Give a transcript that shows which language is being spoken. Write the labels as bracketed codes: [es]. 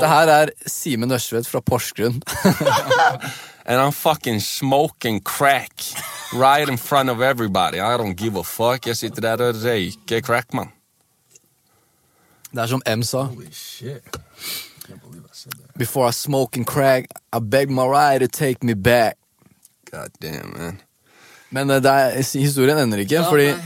[no] Dette her Simon Ørsved fra Porsgrunn. [en] and I'm fucking smoking crack right in front of everybody. I don't give a fuck. [no] Jeg sitter der og røyker crack, mann. Det som M sa. [en] Holy shit. Before I smoke and crack, I beg my ride to take me back. God damn, man. [no] Men historien ender ikke, fordi...